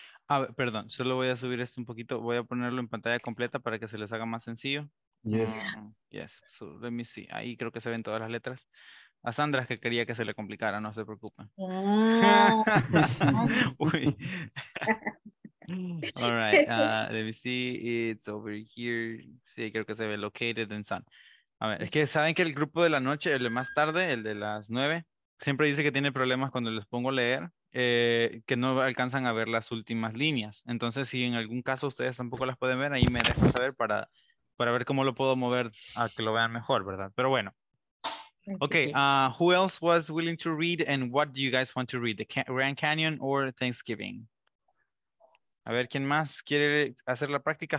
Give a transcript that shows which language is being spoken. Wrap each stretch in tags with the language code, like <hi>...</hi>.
<es>A ver, perdón, solo voy a subir esto un poquito. Voy a ponerlo en pantalla completa para que se les haga más sencillo.</es> <en>Yes. Yes. So let me see.</en> <es>Ahí creo que se ven todas las letras. A Sandra es que quería que se le complicara, no se preocupe. Uy.</es> <en>All right, let me see, it's over here.</en> <es>Sí, creo que se ve</es> <en>located in San.</en> <es>A ver, es que saben que el grupo de la noche, el de más tarde, el de las 9, siempre dice que tiene problemas cuando les pongo a leer, que no alcanzan a ver las últimas líneas. Entonces, si en algún caso ustedes tampoco las pueden ver, ahí me dejan saber para ver cómo lo puedo mover a que lo vean mejor, ¿verdad? Pero bueno.</es> <en>Okay, who else was willing to read and what do you guys want to read? The Grand Canyon or Thanksgiving?</en> <es>A ver, ¿quién más quiere hacer la práctica?</es>